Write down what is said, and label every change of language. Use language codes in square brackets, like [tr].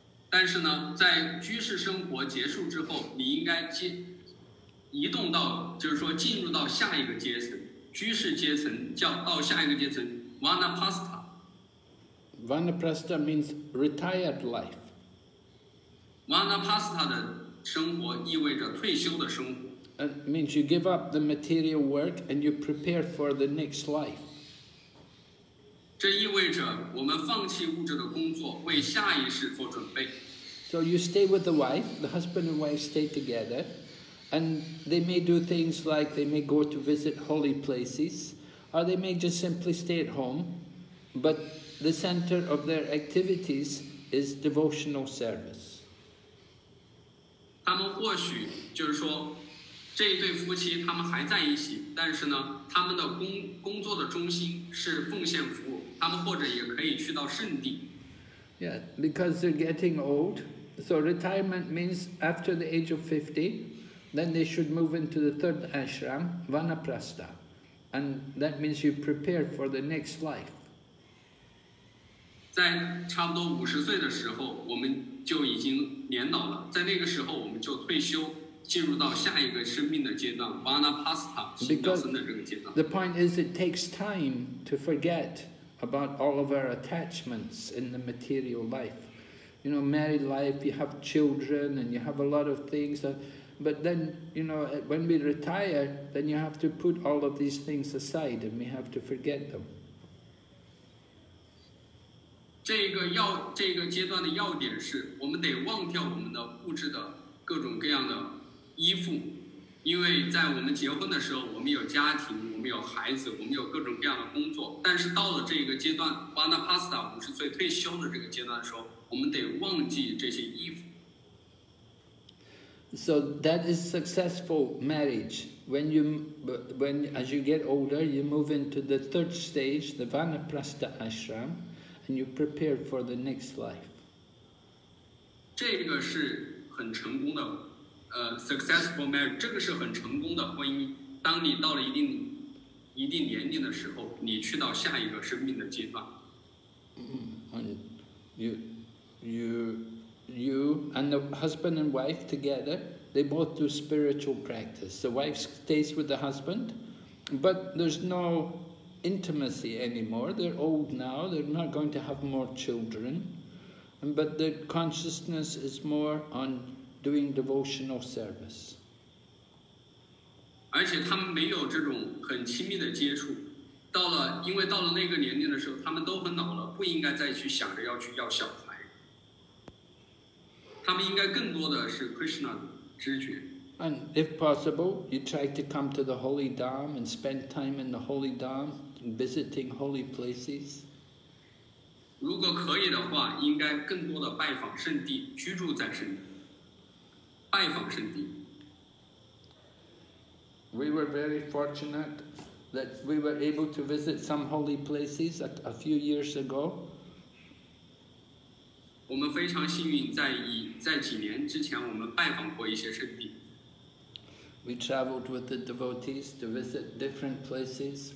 [zh] 但是呢，在居士生活结束之后，你应该移动到，就是说进入到下一个阶层，居士阶层叫到下一个阶层 Vanaprastha. [en] Vanaprastha means retired life. [zh] Vanaprastha 的生活意味着退休的生活。 [en] It means you give up the material work and you prepare for the next life. [zh] 这意味着我们放弃物质的工作，为下一世做准备。 [en] So you stay with the wife, the husband and wife stay together, and they may do things like they may go to visit holy places, or they may just simply stay at home, but the center of their activities is devotional service. [zh] 他们或许就是说，这一对夫妻他们还在一起，但是呢他们的工作的中心是奉献服务，他们或者也可以去到圣地。 [en] Yeah, because they're getting old, so retirement means after the age of 50, then they should move into the third ashram, Vanaprastha. And that means you prepare for the next life. [zh] 在差不多50岁的时候，我们就已经年老了，在那个时候我们就退休，进入到下一个生命的阶段 ,Vanaprastha, 新高僧的这个阶段。 [en] The point is it takes time to forget. About all of our attachments in the material life. You know, married life, you have children and you have a lot of things. But then, you know, when we retire, then you have to put all of these things aside and we have to forget them. [zh] 这个阶段的要点是我们得忘掉我们的物质的各种各样的依附。因为在我们结婚的时候我们有家庭我们有孩子我们有各种各样的工作但是到了这个阶段 Vanaprastha 50岁退休的这个阶段的时候我们得忘记这些衣服 [en] So that is successful marriage when as you get older you move into the third stage the Vanaprastha ashram and you prepare for the next life [zh] 这个是很成功的 [en] successful marriage, [zh] 这个是很成功的婚姻。当你到了一定年龄的时候，你去到下一个生命的阶段。 [en] And you and the husband and wife together, they both do spiritual practice. The wife stays with the husband, but there's no intimacy anymore. They're old now. They're not going to have more children, but the consciousness is more on. Doing devotional service. [zh] 而且他们没有这种很亲密的接触，到了，因为到了那个年龄的时候，他们都很老了，不应该再去想着要去要小孩。他们应该更多的是 Krishna 的知觉。 [en] And if possible, you try to come to the holy dham and spend time in the holy dham, visiting holy places. [zh] 如果可以的话，应该更多的拜访圣地，居住在圣地。 [en] We were very fortunate that we were able to visit some holy places a few years ago. [zh] 我们非常幸运在几年之前我们拜访过一些圣地。 [en] We traveled with the devotees to visit different places.